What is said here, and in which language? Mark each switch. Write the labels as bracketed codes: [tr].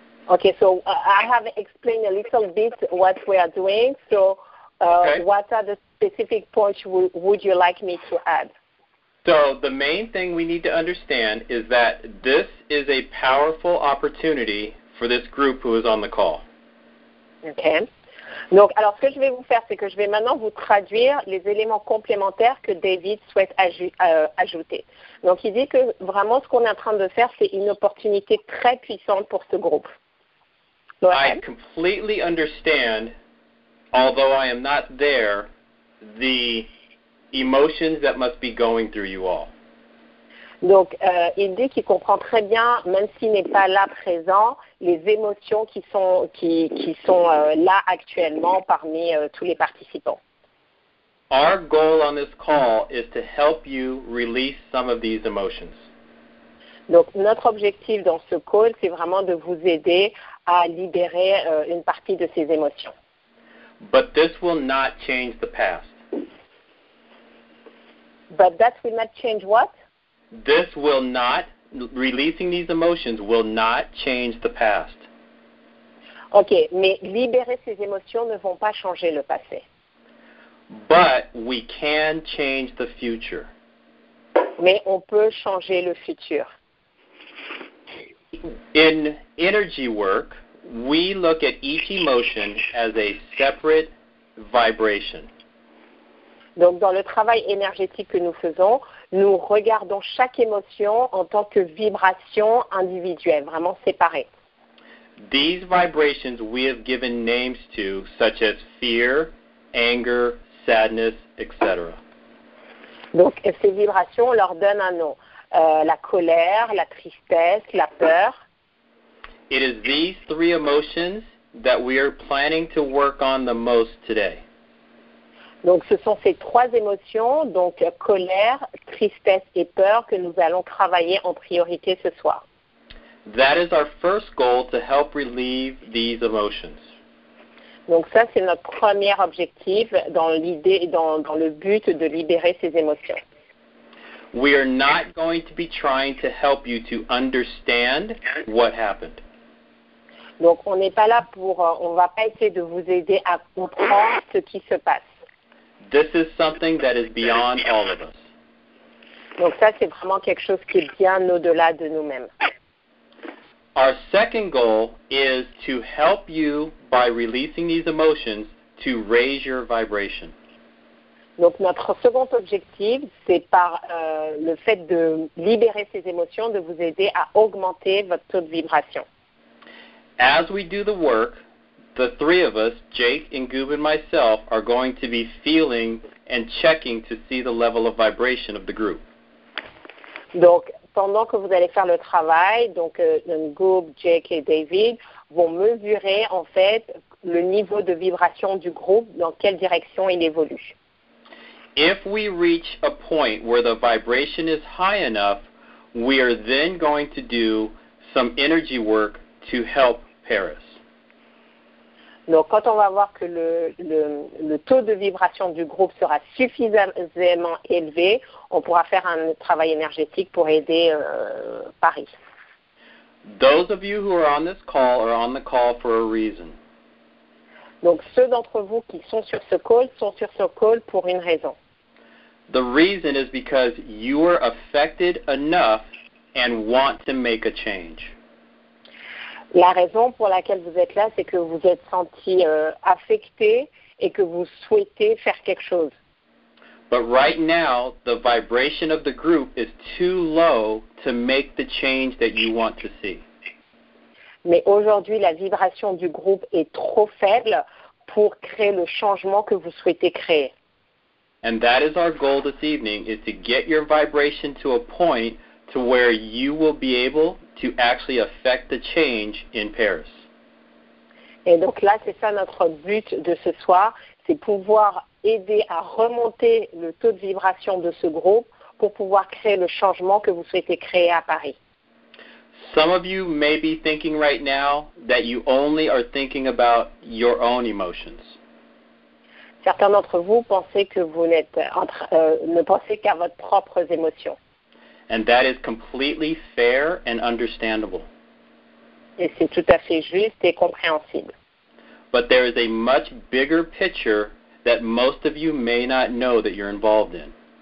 [en] Okay, so I have explained a little bit what we are doing. So okay. What are the specific points would you like me to add? So the main thing we need to understand is that this is a powerful opportunity for this group who is on the call. Okay. [fr] Donc, alors, ce que je vais vous faire, c'est que je vais maintenant vous traduire les éléments complémentaires que David souhaite ajouter. Donc, il dit que vraiment, ce qu'on est en train de faire, c'est une opportunité très puissante pour ce groupe. [en] I completely understand, although I am not there, the emotions that must be going through you all. [fr] Donc, il dit qu'il comprend très bien, même s'il n'est pas là présent, les émotions qui sont là actuellement parmi tous les participants. [en] Our goal on this call is to help you release some of these emotions. [fr] Donc, notre objectif dans ce call, c'est vraiment de vous aider à libérer une partie de ces émotions. [en] But this will not change the past. But that will not change what? This will not, releasing these emotions will not change the past. [fr] OK, mais libérer ces émotions ne vont pas changer le passé. [en] But we can change the future. [fr] Mais on peut changer le futur. [en] In energy work, we look at each emotion as a separate vibration. [fr] Donc, dans le travail énergétique que nous faisons, nous regardons chaque émotion en tant que vibration individuelle, vraiment séparée. [en] These vibrations we have given names to, such as fear, anger, sadness, etc. [fr] Donc, ces vibrations, on leur donne un nom. La colère, la tristesse, la peur. [en] It is these three emotions that we are planning to work on the most today. [fr] Donc, ce sont ces trois émotions, donc colère, tristesse et peur, que nous allons travailler en priorité ce soir. [en] That is our first goal, to help relieve these emotions. [fr] Donc ça, c'est notre premier objectif dans l'idée, dans le but de libérer ces émotions. [en] We are not going to be trying to help you to understand what happened. [fr] Donc on n'est pas là pour, on va pas essayer de vous aider à comprendre ce qui se passe. [en] This is something that is beyond all of us. [fr] Donc ça, c'est vraiment quelque chose qui est bien au-delà de nous-mêmes. [en] Our second goal is to help you by releasing these emotions to raise your vibration. [fr] Donc notre second objectif, c'est par le fait de libérer ces émotions, de vous aider à augmenter votre taux de vibration. [en] As we do the work, the three of us, Jake, Ngoob, and myself, are going to be feeling and checking to see the level of vibration of the group. [fr] Donc, pendant que vous allez faire le travail, donc Ngoob, Jake et David vont mesurer, en fait, le niveau de vibration du groupe, dans quelle direction il évolue. [en] If we reach a point where the vibration is high enough, we are then going to do some energy work to help Paris. [fr] Donc, quand on va voir que le taux de vibration du groupe sera suffisamment élevé, on pourra faire un travail énergétique pour aider Paris. [en] Those of you who are on this call are on the call for a reason. [fr] Donc, ceux d'entre vous qui sont sur ce call pour une raison. [en] The reason is because you are affected enough and want to make a change. [fr] La raison pour laquelle vous êtes là, c'est que vous êtes senti affecté et que vous souhaitez faire quelque chose. [en] But right now, the vibration of the group is too low to make the change that you want to see. [fr] Mais aujourd'hui, la vibration du groupe est trop faible pour créer le changement que vous souhaitez créer. [en] And that is our goal this evening, is to get your vibration to a point to where you will be able to actually affect the change in Paris. [fr] Et donc là, c'est ça notre but de ce soir, c'est pouvoir aider à remonter le taux de vibration de ce groupe pour pouvoir créer le changement que vous souhaitez créer à Paris. [en] Some of you may be thinking right now that you only are thinking about your own emotions. [fr] Certains d'entre vous pensez que vous n'êtes ne pensez qu'à vos propres émotions. [en] And that is completely fair and understandable. [fr] Et c'est tout à fait juste et compréhensible. [en] But there is a much bigger picture that most of you may not know that you're involved in.